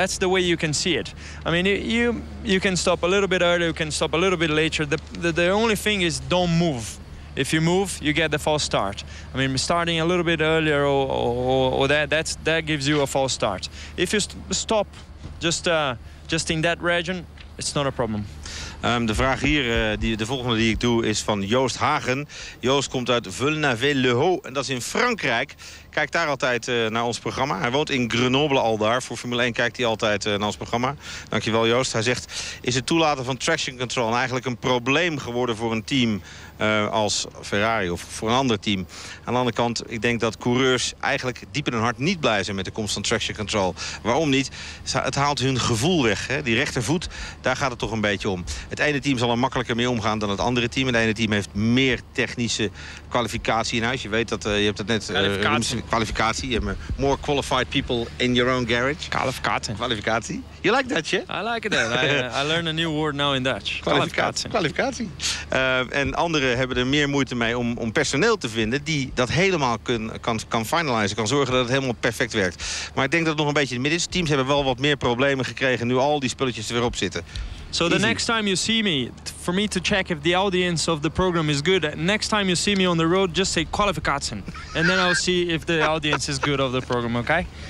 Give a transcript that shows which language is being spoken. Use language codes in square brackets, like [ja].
[en] That's the way you can see it. I mean, you can stop a little bit earlier, you can stop a little bit later. The only thing is don't move. If you move, you get the false start. I mean, starting a little bit earlier or that gives you a false start. If you stop just in that region, it's not a problem. [nl] De vraag hier, de volgende die ik doe, is van Joost Hagen. Joost komt uit Villeneuve-le-Haut en dat is in Frankrijk. Kijkt daar altijd naar ons programma. Hij woont in Grenoble al daar. Voor Formule 1 kijkt hij altijd naar ons programma. Dankjewel Joost. Hij zegt, is het toelaten van traction control eigenlijk een probleem geworden voor een team als Ferrari of voor een ander team? Aan de andere kant, ik denk dat coureurs eigenlijk diep in hun hart niet blij zijn met de komst van traction control. Waarom niet? Het haalt hun gevoel weg. Hè? Die rechtervoet, daar gaat het toch een beetje om. Het ene team zal er makkelijker mee omgaan dan het andere team. Het ene team heeft meer technische kwalificatie in huis. Je weet dat, je hebt dat net... Kwalificatie. [en] You have more qualified people in your own garage. [nl] Kwalificatie. [en] You like that, yeah? I like it. I learned a new word now in Dutch. [nl] Kwalificatie. En anderen hebben er meer moeite mee om personeel te vinden die dat helemaal kan finalizen, kan zorgen dat het helemaal perfect werkt. Maar ik denk dat het nog een beetje in het midden is. Teams hebben wel wat meer problemen gekregen nu al die spulletjes er weer op zitten. [en] So the next time you see me, for me to check if the audience of the program is good, next time you see me on the road, just say kwalificatie. And then I'll see if the audience is good of the program, okay?